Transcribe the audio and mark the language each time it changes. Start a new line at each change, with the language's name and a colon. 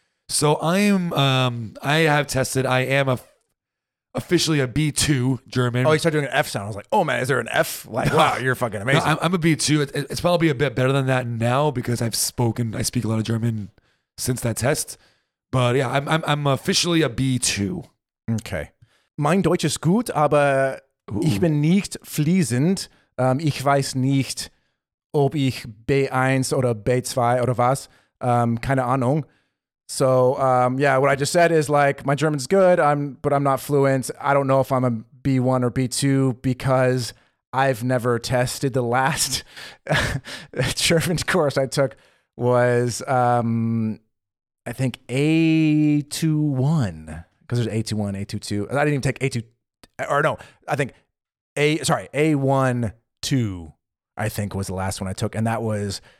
English: So I am, I have tested, I am officially a B2 German. Oh, you started doing an F sound. I was like, oh man, is there an F? Like, wow, you're fucking amazing. No, I'm a B2. It's probably a bit better than that now because I speak a lot of German since that test. But yeah, I'm officially a B2. Okay.
German: Mein Deutsch ist gut, aber ich bin nicht fließend. Ich weiß nicht, ob ich B1 oder B2 oder was. Keine Ahnung.
English: So, what I just said is like, my German's good, but I'm not fluent. I don't know if I'm a B1 or B2 because I've never tested. The last German course I took was, I think, A21, because there's A21, A22. I didn't even take A12, I think, was the last one I took, and that was...